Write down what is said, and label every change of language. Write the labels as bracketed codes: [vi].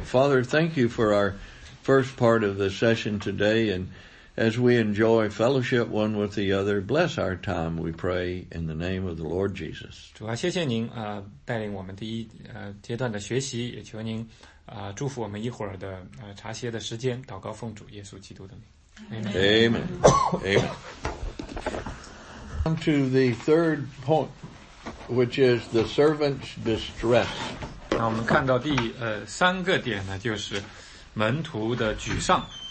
[en] Father, thank you for our first part of the session today, and as we enjoy fellowship one with the other, bless our time. We pray in the name of the Lord Jesus. [zh] 主啊，谢谢您带领我们第一阶段的学习，也求您祝福我们一会儿的茶歇的时间。祷告奉主耶稣基督的名。 [en] Amen. Amen. Come to the third point, which is the servant's distress. [zh] 那我们看到第三个点呢，就是门徒的沮丧。